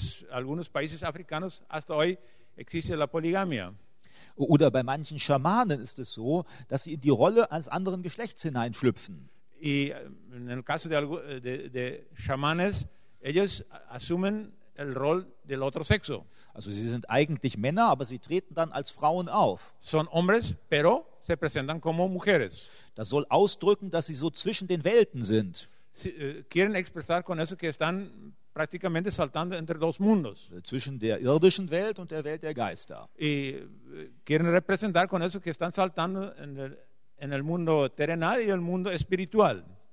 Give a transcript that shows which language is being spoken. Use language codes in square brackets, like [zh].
[es] Algunos países africanos hasta hoy existe la poligamia. [de] Oder bei manchen Schamanen ist es so, dass sie in die Rolle eines anderen Geschlechts hineinschlüpfen. [es] Y en el caso de chamanes, ellos asumen el rol del otro sexo. [de] Also sie sind eigentlich Männer, aber sie treten dann als Frauen auf. [es] Son hombres, pero se presentan como mujeres. [de] Das soll ausdrücken, dass sie so zwischen den Welten sind. [es] Sie quieren expresar con eso que están prácticamente saltando entre dos mundos. [de] Zwischen der irdischen Welt und der Welt der Geister. [es] Y quieren representar con eso que están saltando en el mundo terrenal y el mundo espiritual.